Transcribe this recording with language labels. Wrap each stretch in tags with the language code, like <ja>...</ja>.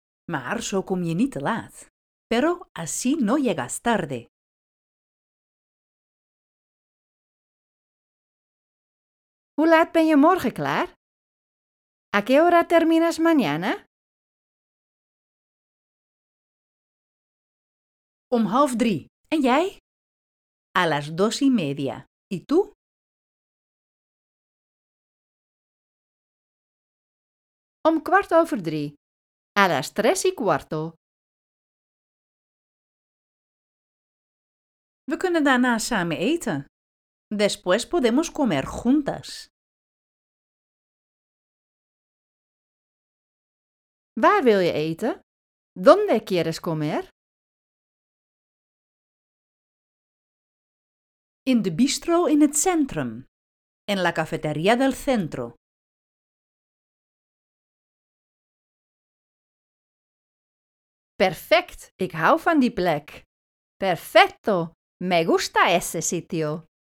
<nl>Maar zo kom je niet te laat.</nl> <es>Pero así no llegas tarde.</es> <nl>Hoe laat ben je morgen klaar?</nl> <es>¿A qué hora terminas mañana?</es> <nl>Om 2:30. En jij?</nl> <es>A las 2:30. ¿Y tú?</es> <nl>Om 3:15.</nl> <es>A las 3:15.</es> <nl>We kunnen daarna samen eten.</nl> <es>Después podemos comer juntas.</es> <nl>Waar wil je eten?</nl> <es>¿Dónde quieres comer?</es> <nl>In de bistro in het centrum.</nl> <es>En la cafetería del centro.</es> <nl>Perfect, ik hou van die plek.</nl> <es>Perfecto, me gusta ese sitio.</es>